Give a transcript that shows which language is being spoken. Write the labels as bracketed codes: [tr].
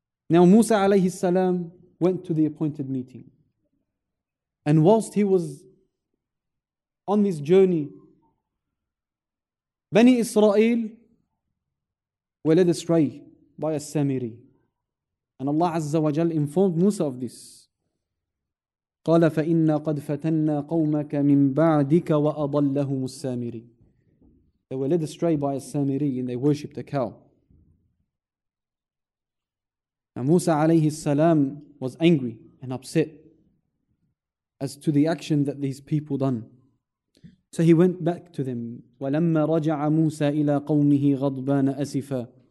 [en] Now Musa alayhi salam went to the appointed meeting. And whilst he was on this journey, Bani Israel were led astray by a Samiri. And Allah Azza wa Jal informed Musa of this. [ar] قال فإن قد فتنا قومك من بعدك وأضلهم السامري. [en] They were led astray by a Samiri and they worshipped a cow. Now Musa عليه السلام was angry and upset as to the action that these people done. So he went back to them. [ar] ولما رجع موسى إلى قومه غضبان أسفا.